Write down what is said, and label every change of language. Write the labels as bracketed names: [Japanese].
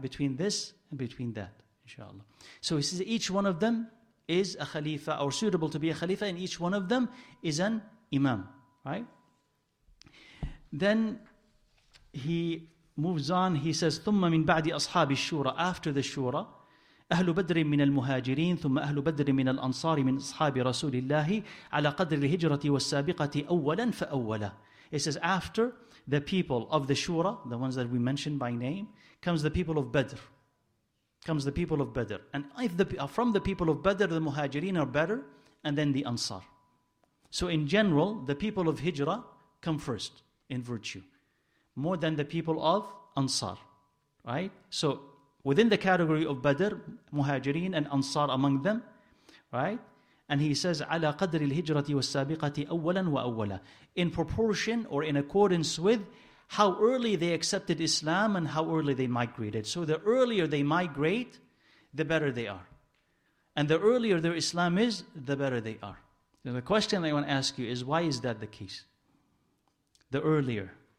[English] Between this and between that, inshallah. So he says each one of them is a khalifa, or suitable to be a khalifa, and each one of them is an imam, right? Then he moves on, he says, [Arabic] ثُمَّ مِنْ بَعْدِ أَصْحَابِ الشُّورَةِ. [English] After the shura, [Arabic] أَهْلُ بَدْرٍ مِنَ الْمُهَاجِرِينَ ثُمَّ أَهْلُ بَدْرٍ مِنَ الْأَنصَارِ مِنْ أَصْحَابِ رَسُولِ اللَّهِ عَلَى قَدْرِ الْهِجْرَةِ وَالسَّابِقَةِ أَوَّلًا فَأَوَّلًا. [English] It says, after the people of the shura, the ones that we mentioned by name, comes the people of Badr. Comes the people of Badr. And if from the people of Badr, the Muhajirin are better, and then the Ansar. So in general, the people of Hijrah come first in virtue, more than the people of Ansar. Right? So within the category of Badr, Muhajirin and Ansar among them, right? And he says, [Arabic] عَلَى قَدْرِ الْهِجْرَةِ وَالسَّابِقَةِ أَوَّلًا وَأَوَّلًا. [English] In proportion or in accordance with how early they accepted Islam and how early they migrated. So the earlier they migrate, the better they are. And the earlier their Islam is, the better they are. Now the question I want to ask you is, why is that the case? The earlier.